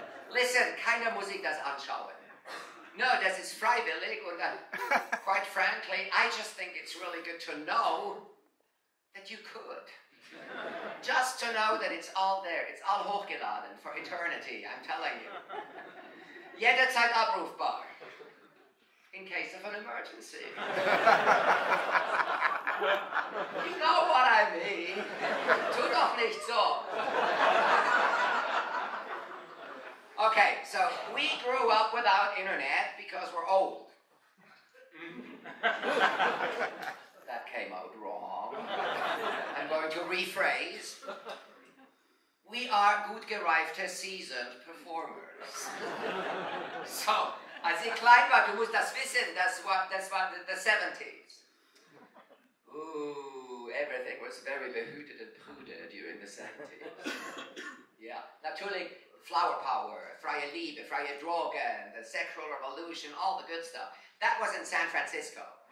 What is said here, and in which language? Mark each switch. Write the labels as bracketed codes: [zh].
[de] Listen, keiner muss sich das anschauen. [en] No, [de] das ist freiwillig und [en] quite frankly, I just think it's really good to know that you could. Just to know that it's all there, it's all [de] hochgeladen [en] for eternity, I'm telling you. [de] Jederzeit abrufbar. [en] In case of an emergency. You know what I mean. [de] Tu doch nicht so. [en] Okay, so we grew up without internet because we're old. That came out wrong. I'm going to rephrase. We are [de] gut gereifte, [en] seasoned performers. [de] So, als ich klein war, du musst das wissen, das war the 70s. [en] Ooh, everything was very [de] behütet [en] and prudent during the 70s. Yeah, natürlich, flower power, [de] freie Liebe, freie Drogen, [en] the sexual revolution, all the good stuff. That was in San Francisco.